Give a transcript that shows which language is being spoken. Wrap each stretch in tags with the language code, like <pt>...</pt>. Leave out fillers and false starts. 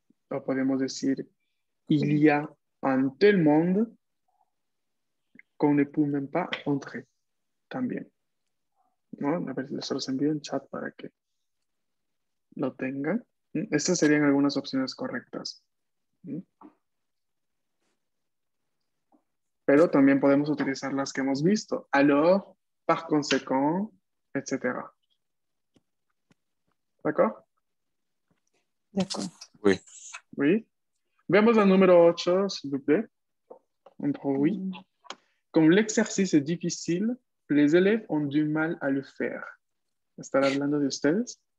<es>O podemos decir,</es> <fr>il y a un tel monde qu'on ne peut même pas entrer.</fr> <es>También. ¿No? A ver, les los envío en chat para que lo tengan. Estas serían algunas opciones correctas. Pero también podemos utilizar las que hemos visto.</es> <fr>Alors, par conséquent, etc. ¿D'accord? D'accord. Oui. Oui.</fr> <es>Veamos la número 8,</es> <fr>s'il vous plaît. Un peu, oui. Comme l'exercice est difficile, les élèves ont du mal à le faire.</fr> <es>¿Estará hablando de ustedes?</es>